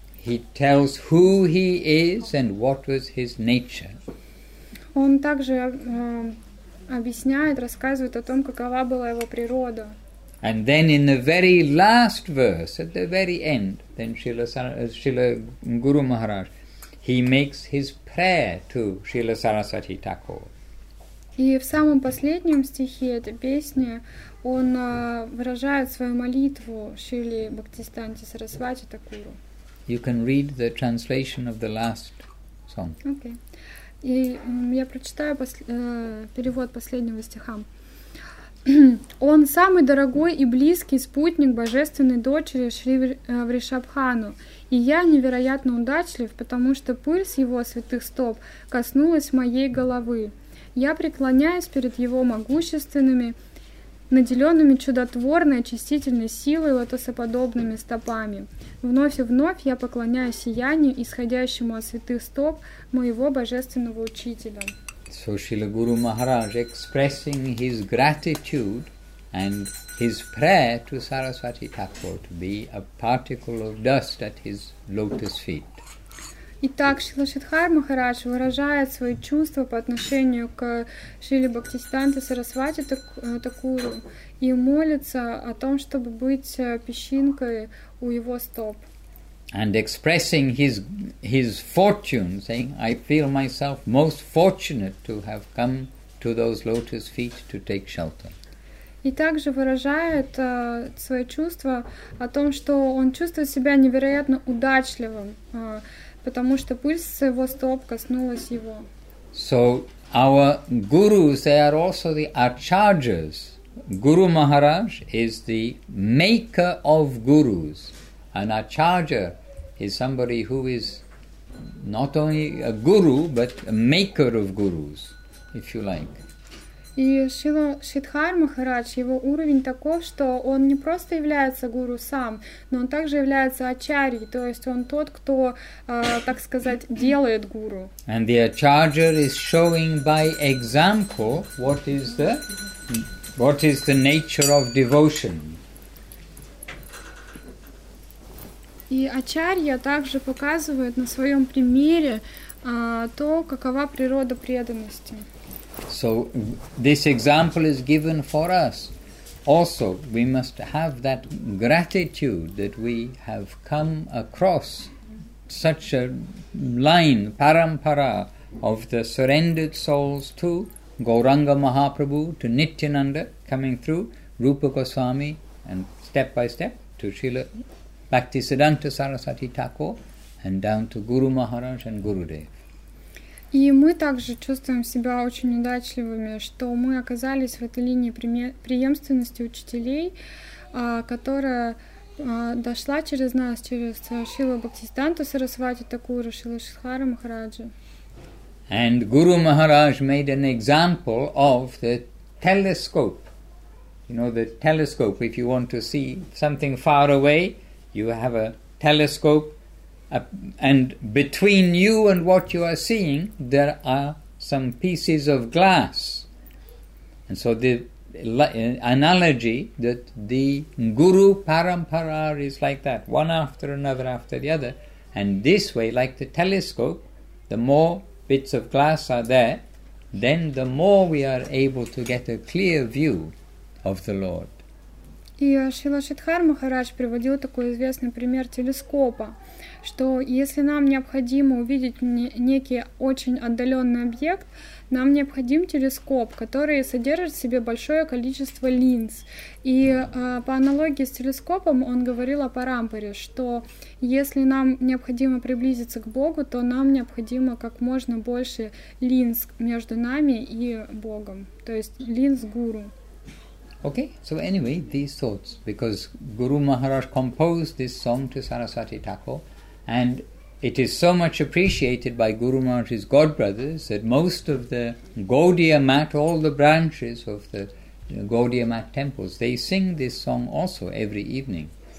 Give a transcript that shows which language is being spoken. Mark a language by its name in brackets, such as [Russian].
[English] He tells who he is and what was his nature. [Russian] Он также объясняет, рассказывает о том, какова была его природа. [English] And then in the very last verse, at the very end, then Srila Guru Maharaj, he makes his prayer to Srila Saraswati Thakur. [Russian] И в самом последнем стихе этой песни он выражает свою молитву Шриле Бхактисиддханте Сарасвати Такуру. [English] You can read the translation of the last song. Okay. [Russian] И я прочитаю перевод последнего стиха. Он самый дорогой и близкий спутник божественной дочери Шри Вришабхану, и я невероятно удачлив, потому что пыль с его святых стоп коснулась моей головы. Я преклоняюсь перед его могущественными, наделенными чудотворной очистительной силой лотосоподобными стопами. Вновь и вновь я поклоняюсь сиянию, исходящему от святых стоп моего божественного учителя». [English] So Srila Guru Maharaj expressing his gratitude and his prayer to Saraswati Thakur to be a particle of dust at his lotus feet. [Russian] Итак, Шрила Шридхар Махарадж выражает свои чувства по отношению к Шриле Бхактисиддханте Сарасвати Такуру и молится о том, чтобы быть песчинкой у его стоп. [English] And expressing his fortune, saying, I feel myself most fortunate to have come to those lotus feet to take shelter. [Russian] И также выражает свои чувства о том, что он чувствует себя невероятно удачливым, потому что пыль с его стоп коснулась его. [English] So our gurus, they are also the acharyas. Guru Maharaj is the maker of gurus. An acharya is somebody who is not only a guru, but a maker of gurus, if you like. [Russian] И Шрила Шридхар Махарадж, его уровень таков, что он не просто является гуру сам, но он также является ачарьей, то есть он тот, кто, так сказать, делает гуру. [English] And the acharya is showing by example what is the nature of devotion. [Russian] И ачарья также показывает на своем примере то, какова природа преданности. [English] So this example is given for us. Also, we must have that gratitude that we have come across such a line, parampara, of the surrendered souls to Gauranga Mahaprabhu, to Nityananda, coming through Rupa Goswami, and step by step to Srila Bhaktisiddhanta Saraswati Thakur, and down to Guru Maharaj and Gurudev. [Russian] И мы также чувствуем себя очень удачливыми, что мы оказались в этой линии преемственности учителей, которая дошла через нас, через Шрилу Бхактисиддханту Сарасвати Такур, Шрилу Шридхара Махараджа. [English] And Guru Maharaj made an example of the telescope. You know, the telescope, if you want to see something far away, you have a telescope, and between you and what you are seeing, there are some pieces of glass. And so the analogy that the Guru Parampara is like that, one after another after the other. And this way, like the telescope, the more bits of glass are there, then the more we are able to get a clear view of the Lord. [Russian] И Шрила Шридхар Махарадж приводил такой известный пример телескопа, что если нам необходимо увидеть некий очень отдаленный объект, нам необходим телескоп, который содержит в себе большое количество линз. И по аналогии с телескопом он говорил о парампаре, что если нам необходимо приблизиться к Богу, то нам необходимо как можно больше линз между нами и Богом, то есть линз гуру. [English] Okay, so anyway, these thoughts, because Guru Maharaj composed this song to Saraswati Thakur, and it is so much appreciated by Guru Maharaj's godbrothers that most of the Gaudiya mat, all the branches of the Gaudiya mat temples, they sing this song also every evening.